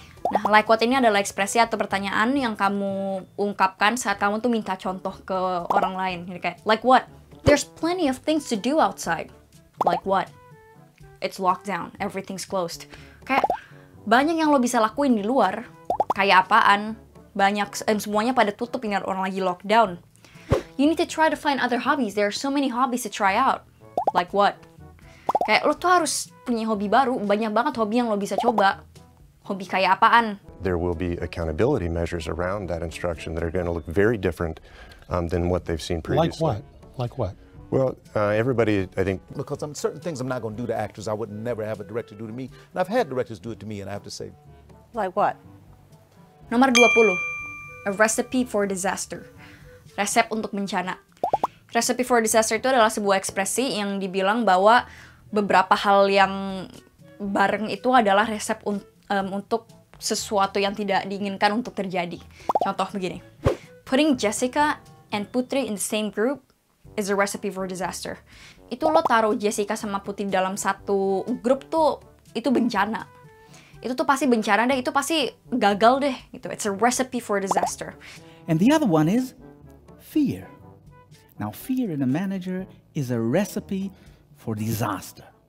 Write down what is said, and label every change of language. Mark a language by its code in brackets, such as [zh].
[id] Nah, [en] like what [id] ini adalah ekspresi atau pertanyaan yang kamu ungkapkan saat kamu tuh minta contoh ke orang lain. Jadi kayak, [en] like what? There's plenty of things to do outside. Like what? It's lockdown. Everything's closed. [id] Kayak, banyak yang lo bisa lakuin di luar. Kayak apaan? Banyak, semuanya pada tutup ingat orang lagi lockdown. [en] You need to try to find other hobbies. There are so many hobbies to try out. Like what? [id] Kayak, lo tuh harus punya hobi baru. Banyak banget hobi yang lo bisa coba. Hobi kayak apaan? [en] There will be accountability measures around that instruction that are going to look very different than what they've seen previously. Like what? Like what? Well, everybody, I think... Because certain things I'm not going to do to actors, I would never have a director do to me. And I've had directors do it to me, and I have to say... Like what? [id] Nomor 20. [en] A recipe for disaster. [id] Resep untuk bencana. Recipe for disaster itu adalah sebuah ekspresi yang dibilang bahwa beberapa hal yang bareng itu adalah resep untuk sesuatu yang tidak diinginkan untuk terjadi. Contoh begini. [en] Putting Jessica and Putri in the same group is a recipe for disaster. [id] Itu lo taruh Jessica sama Putri dalam satu grup tuh, itu bencana. Itu tuh pasti bencana deh, itu pasti gagal deh. Gitu. [en] It's a recipe for disaster. And the other one is fear. Now fear in a manager is a recipe for disaster.